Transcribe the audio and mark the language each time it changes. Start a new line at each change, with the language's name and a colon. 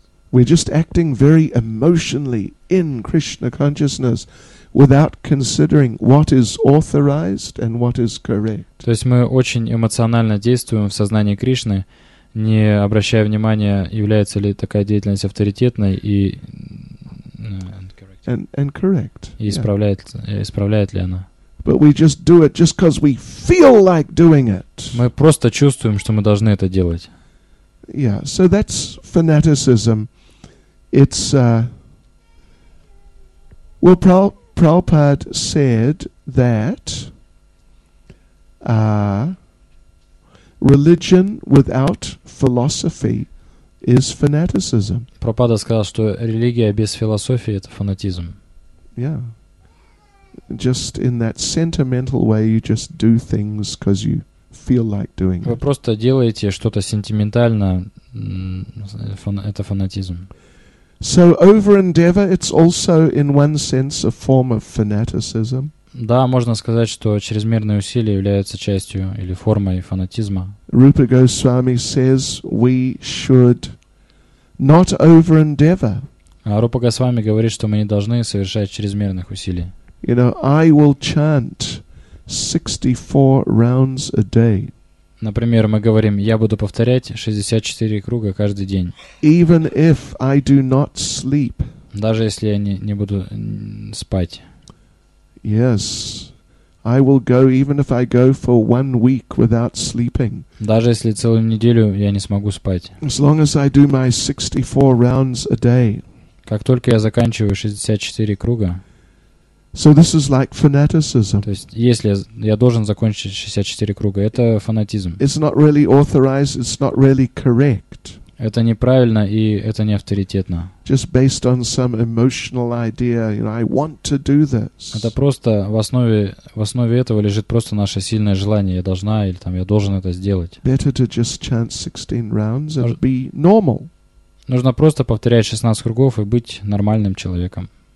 English: We're just acting very emotionally in Krishna consciousness without considering what is authorized and what is correct.
Russian: То есть мы очень эмоционально действуем в сознании Кришны, не обращая внимания, является ли такая деятельность авторитетной и
English: correct.
Russian: Исправляет ли она.
English: But we just do it just because we feel like doing it.
Russian: Мы просто чувствуем, что мы должны это делать.
English: Yeah, so that's fanaticism. It's well, Prabhupada said that religion without philosophy is fanaticism.
Russian: Прабхупада сказал, что религия без философии — это фанатизм.
English: Yeah. Just in that sentimental way, you just do things because you feel like doing it.
Russian: Вы просто делаете что-то сентиментально, это фанатизм.
English: So over-endeavor, it's also in one sense a form of fanaticism.
Russian: Да, можно сказать, что чрезмерные усилия являются частью или формой фанатизма.
English: Rupa Goswami says we should not over-endeavor.
Russian: А Рупа Госвами говорит, что мы не должны совершать чрезмерных усилий.
English: You know, I will chant 64 rounds a day.
Russian: Например, мы говорим, я буду повторять 64 круга каждый день.
English: Even if I do not sleep.
Russian: Даже если я не буду спать.
English: Yes, I will go even if I go for 1 week without sleeping.
Russian: Даже если целую неделю я не смогу спать.
English: As long as I do my 64 rounds a day.
Russian: Как только я заканчиваю 64 круга.
English: So this is like fanaticism.
Russian: То есть если я должен закончить 64 круга, это фанатизм.
English: It's not really authorized, it's not really correct.
Russian: Это неправильно и это не авторитетно.
English: Just based on some emotional idea, you know, I want to do this.
Russian: Это просто в основе этого лежит просто наше сильное желание. Я должна или там я должен это сделать.
English: Better to just chant 16 rounds and be normal.
Russian: Нужно просто повторять 16 кругов и быть нормальным человеком.